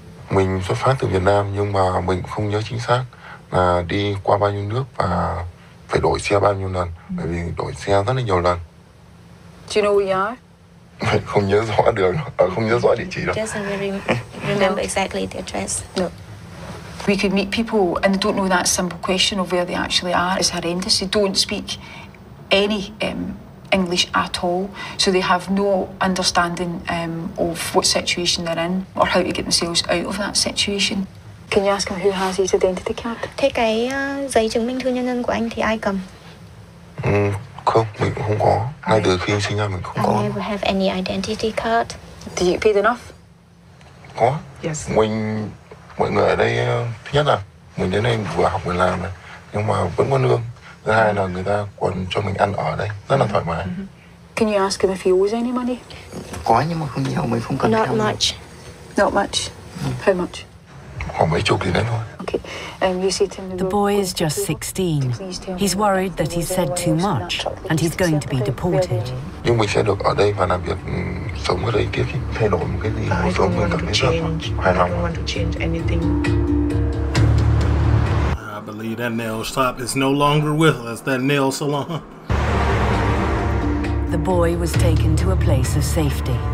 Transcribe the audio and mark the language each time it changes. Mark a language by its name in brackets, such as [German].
[Vietnamese] Mình xuất phát từ Việt Nam nhưng mà mình không nhớ chính xác là đi qua bao nhiêu nước và phải đổi xe bao nhiêu lần, bởi vì đổi xe rất là nhiều lần. [English] Do you know where you are? [Vietnamese] Không nhớ rõ đường, không nhớ rõ địa chỉ đâu. [English] Just so you remember exactly the address. No. We could meet people and they don't know that simple question of where they actually are. It's horrendous. They don't speak any English at all, so they have no understanding of what situation they're in or how to get themselves out of that situation. Can you ask him who has his identity card? [Vietnamese] Thế cái giấy chứng minh thư nhân dân của anh thì ai cầm? Không, mình không có. Ngay từ khi sinh ra mình không có. [English] I never have any identity card. Did you pay enough? [Vietnamese] Có. [English] Yes. [Vietnamese] Mình, mọi người ở đây, thứ nhất là mình đến đây vừa học vừa làm này, nhưng mà vẫn có lương. Thứ hai là người ta còn cho mình ăn ở đây, rất là thoải mái. Mm-hmm. [English] Can you ask him if he owes any money? [Vietnamese] Có nhưng mà không nhiều, mình không cần. [English] Not much. Not much? How much? The boy is just 16. He's worried that he's said too much and he's going to be deported. [Vietnamese] Nhưng mình sẽ được ở đây và làm việc sống ở đây tiếp, thay đổi một cái gì, một số người cảm thấy rất hài lòng. [English] I believe that nail shop is no longer with us, that nail salon. The boy was taken to a place of safety.